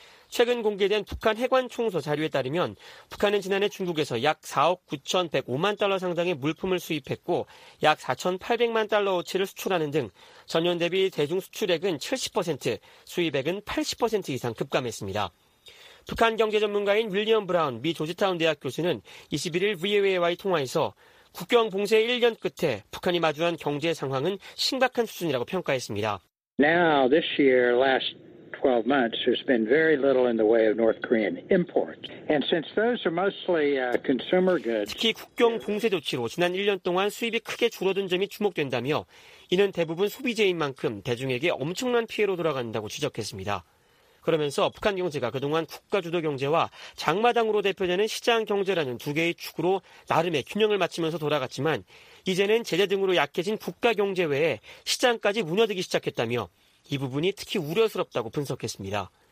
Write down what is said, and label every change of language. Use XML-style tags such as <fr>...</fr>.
<ko>최근 공개된 북한 해관 총소 자료에 따르면 북한은 지난해 중국에서 약 4억 9,105만 달러 상당의 물품을 수입했고 약 4,800만 달러어치를 수출하는 등 전년 대비 대중 수출액은 70%, 수입액은 80% 이상 급감했습니다. 북한 경제 전문가인 윌리엄 브라운 미 조지타운 대학 교수는 21일 VOA와의 통화에서 국경 봉쇄 1년 끝에 북한이 마주한 경제 상황은 심각한 수준이라고 평가했습니다.</ko> <en>Now this year, last 12 months, there's been very little in the way of North Korean imports. And since those are mostly consumer goods,</en> <ko>특히 국경 봉쇄 조치로 지난 1년 동안 수입이 크게 줄어든 점이 주목된다며 이는 대부분 소비재인 만큼 대중에게 엄청난 피해로 돌아간다고 지적했습니다. 그러면서 북한 경제가 그동안 국가 주도 경제와 장마당으로 대표되는 시장 경제라는 두 개의 축으로 나름의 균형을 맞추면서 돌아갔지만 이제는 제재 등으로 약해진 국가 경제 외에 시장까지 무너지기 시작했다며 이 부분이 특히 우려스럽다고 분석했습니다.</ko>